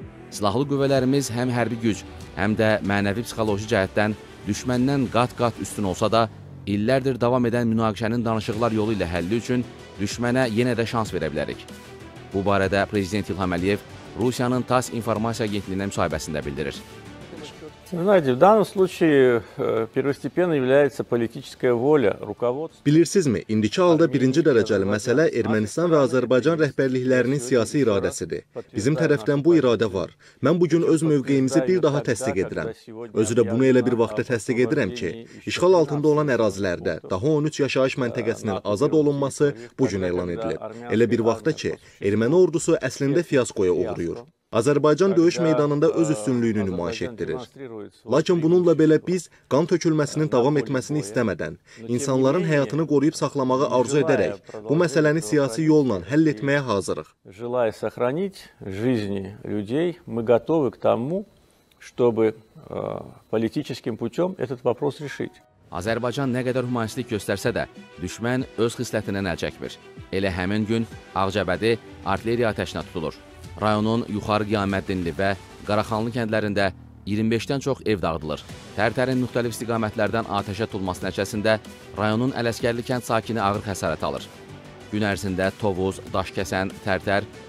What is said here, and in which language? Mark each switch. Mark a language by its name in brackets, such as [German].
[Azerbaijani] Silahlı qüvvələrimiz həm hərbi güc, həm də mənəvi-psixoloji cəhətdən düşməndən qat-qat üstün olsa da, illərdir davam edən münaqişənin danışıqlar yolu ilə həlli üçün düşmənə yenə də şans verə bilərik. Bu barədə Prezident İlham Əliyev Rusiyanın TASS informasiya agentliyinə müsahibəsində bildirir. [Russian] Знаете, в данном случае первостепенно является политическая воля руководства. [Azerbaijani] Bilirsizmi, indiki halda birinci dərəcəli məsələ Ermənistan və Azərbaycan rəhbərliklərinin siyasi iradəsidir. Bizim tərəfdən bu iradə var. Mən bu gün öz mövqeyimizi bir daha təsdiq edirəm. Özü də bunu elə bir vaxtda təsdiq edirəm ki, işğal altında olan ərazilərdə daha 13 yaşayış məntəqəsinin azad olunması bu gün elan edilib. Elə bir vaxtda ki, erməni ordusu əslində fiyaskoya uğruyur. Azərbaycan döyüş meydanında öz üstünlüyünü nümayiş etdirir. Lakin bununla belə biz, qan tökülməsinin davam etməsini istəmədən, insanların həyatını qoruyub saxlamağı arzu edərək, bu məsələni siyasi yolla həll etməyə hazırıq. [Russian] Желая сохранить жизни людей, мы готовы к тому, чтобы политическим путём этот вопрос решить. [Azerbaijani] Azərbaycan nə qədər humanistlik göstərsə də, düşmən öz xislətindən əl çəkmir. Elə həmin gün Ağcabədi artilleriya atəşinə tutulur. Rayonun Yuxarı Qiyamətdinli və Qaraxanlı kəndlərində 25-dən çox ev dağıdılır. Tərtərin müxtəlif istiqamətlərdən atəşə tutulması nəticəsində rayonun Ələsgərli kənd sakini ağır xəsarət alır. Gün ərzində Tovuz, Daşkəsən, Tərtər,